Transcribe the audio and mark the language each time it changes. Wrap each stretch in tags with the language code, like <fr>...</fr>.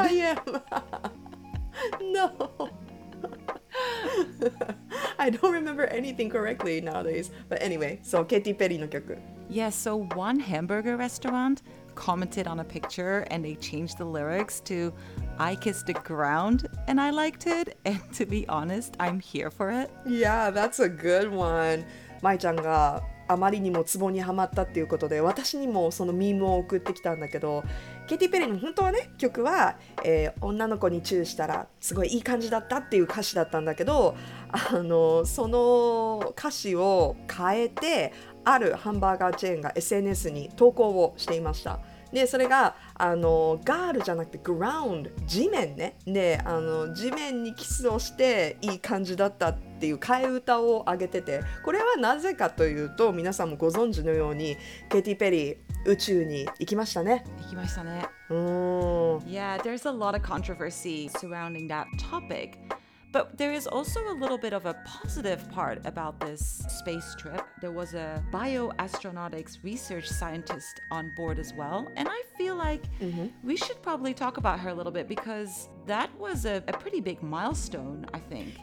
<en>I am No I don't remember anything correctly nowadays. But anyway, so Katy Perry</en> <ja>の曲.</ja> <en>Yes, so one hamburger restaurant commented on a picture and they changed the lyrics to I kissed the ground and I liked it. And to be honest, I'm here for it. Yeah, that's a good one.</en> <ja>Mai ちゃんがあまりにもツボにはまったっていうことで私にもそのミームを送ってきたんだけど、ケティ・ペリーの本当はね曲は、女の子にチューしたらすごいいい感じだったっていう歌詞だったんだけど、その歌詞を変えてあるハンバーガーチェーンが SNS に投稿をしていました。でそれがガールじゃなくてグラウンド、地面ね。で地面にキスをしていい感じだったっていう替え歌を上げてて、これはなぜかというと皆さんもご存知のようにケティ・ペリー宇宙に行きましたね。行きましたね。</ja> <en>Yeah, there's a lot of controversy surrounding that topic. But there is also a little bit of a positive part about this space trip. There was a bioastronautics research scientist on board as well. And I feel like、mm-hmm. we should probably talk about her a little bit because that was a pretty big milestone, I think.</en>